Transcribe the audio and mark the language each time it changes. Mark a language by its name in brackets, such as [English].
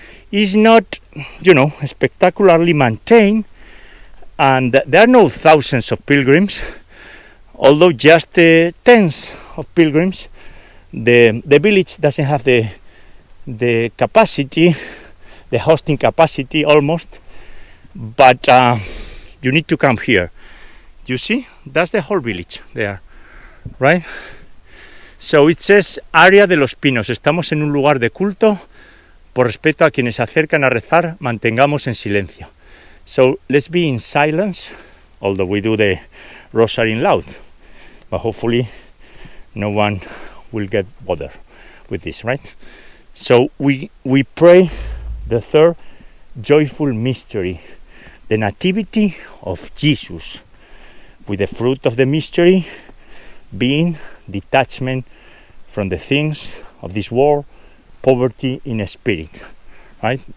[English] It's not, you know, spectacularly maintained, and there are no thousands of pilgrims, although just tens of pilgrims. The village doesn't have the capacity, the hosting capacity almost, but you need to come here. You see, that's the whole village there, right? So it says, [Spanish] Área de los Pinos, estamos en un lugar de culto, por respeto a quienes se acercan a rezar, mantengamos en silencio. [English] So let's be in silence, although we do the rosary in loud, but hopefully no one will get bothered with this, right? So we pray the third joyful mystery, the Nativity of Jesus, with the fruit of the mystery being detachment from the things of this world, poverty in spirit, right?